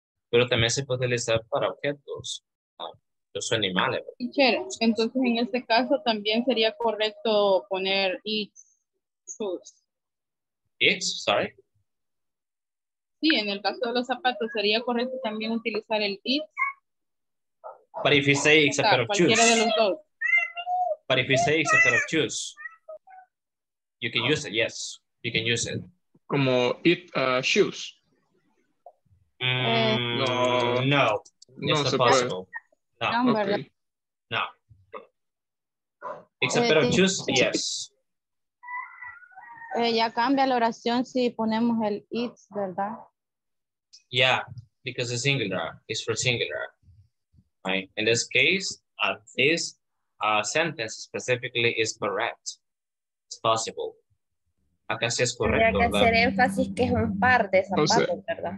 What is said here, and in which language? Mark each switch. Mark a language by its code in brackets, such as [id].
[es] Pero también se puede utilizar para objetos, los animales. Teacher, entonces en este caso también sería correcto poner it. [en] It's, sorry. [es] Sí, en el caso de los zapatos sería correcto también utilizar el it. [en] But if you say it's a pair of shoes. [es] Cualquiera de los dos. [en] But if you say it's a pair of shoes, you can use it. Yes, you can use it. Como it shoes. No. It's impossible. No. Okay. No. It's a pair of shoes. Yes. [es] Ya cambia la oración si ponemos el it's, ¿verdad? [en] Yeah, because it's singular. It's for singular. Right? In this case, this sentence specifically is correct. It's possible. [es] Acá sí es correcto. Tendría que hacer énfasis que es un par de zapatos, o sea, ¿verdad?